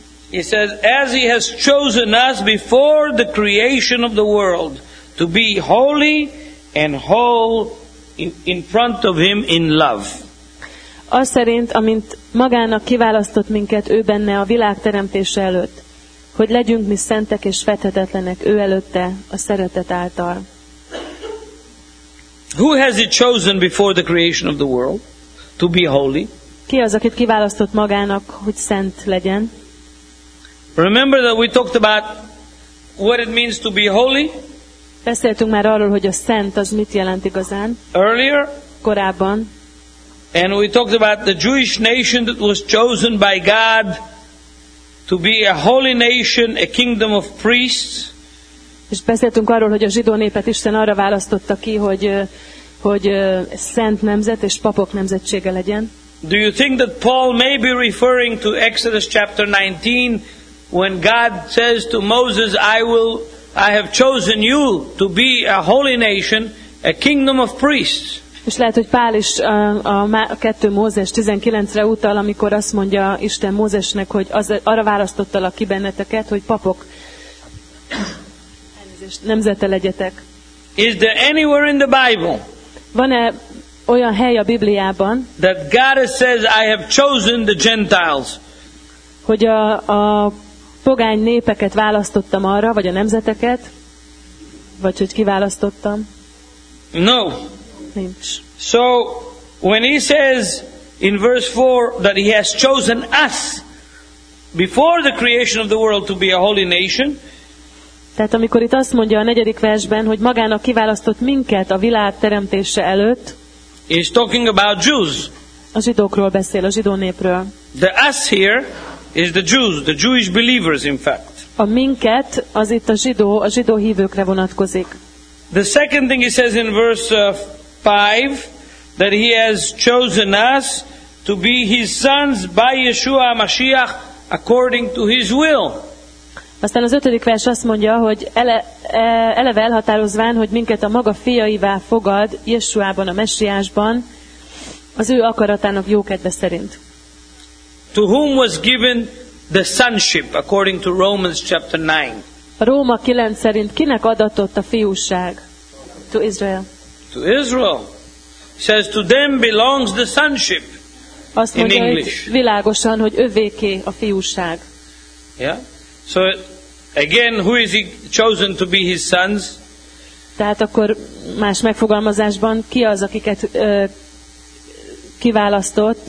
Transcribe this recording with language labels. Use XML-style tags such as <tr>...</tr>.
<en>He says, "As he has chosen us before the creation of the world to be holy and whole in front of him in love."</en> <hu>Az szerint, amint magának kiválasztott minket ő benne a világ teremtése előtt, hogy legyünk mi szentek és fethetetlenek ő előtte a szeretet által.</hu> <en>Who has he chosen before the creation of the world to be holy?</en> <hu>Ki az, akit kiválasztott magának, hogy szent legyen?</hu> <en>Remember that we talked about what it means to be holy?</en> <hu>Beszéltünk már arról, hogy a szent az mit jelent igazán.</hu> <en>Earlier?</en> <hu>Korábban.</hu> <en>And we talked about the Jewish nation that was chosen by God to be a holy nation, a kingdom of priests.</en> <hu>És beszéltünk arról, hogy a zsidó népet Isten arra választotta ki, hogy szent nemzet és papok nemzetsége legyen.</hu> <en>Do you think that Paul may be referring to Exodus chapter 19 when God says to Moses, "I have chosen you to be a holy nation, a kingdom of priests"?</en> <hu>És lehet, hogy Pál is a 2 Mózes 19-re utal, amikor azt mondja Isten Mózesnek, hogy arra választottalak ki benneteket, hogy papok nemzete legyetek.</hu> <en>Is there anywhere in the Bible?</en> <hu>Van-e olyan hely a Bibliában?</hu> <en>That God says I have chosen the Gentiles.</en> <hu>Hogy a pogány népeket választottam arra, vagy a nemzeteket, vagy hogy kiválasztottam?</hu> <en>No.</en> <hu>Nincs.</hu> <en>So when he says in verse 4 that he has chosen us before the creation of the world to be a holy nation.</en> <hu>Tehát amikor itt azt mondja a 4. versben, hogy magának kiválasztott minket a világ teremtése előtt.</hu> <en>He's talking about Jews.</en> <hu>A zsidókról beszél, a zsidó népről.</hu> <en>The us here is the Jews, the Jewish believers in fact.</en> <hu>A minket az itt a zsidó hívőkre vonatkozik.</hu> <en>The second thing he says in verse 5, that he has chosen us to be his sons by Yeshua Mashiach according to his will.</en> <hu>Aztán az 5. vers azt mondja, hogy eleve elhatározván, hogy minket a maga fiaivá fogad Jesuában, a Messiásban, az ő akaratának jókedve szerint.</hu> <en>To whom was given the sonship according to Romans chapter 9?</en> <hu>Róma 9 szerint kinek adatott a fiúság?</hu> <en>To Israel. To Israel. It says to them belongs the sonship.</en> <hu>Azt mondja,</hu> <en>in English.</en> <hu>Világosan, hogy övéké a fiúság.</hu> <en>Yeah. So again, who is he chosen to be his sons?</en> <hu>Tehát akkor más megfogalmazásban ki az, akiket kiválasztott?</hu>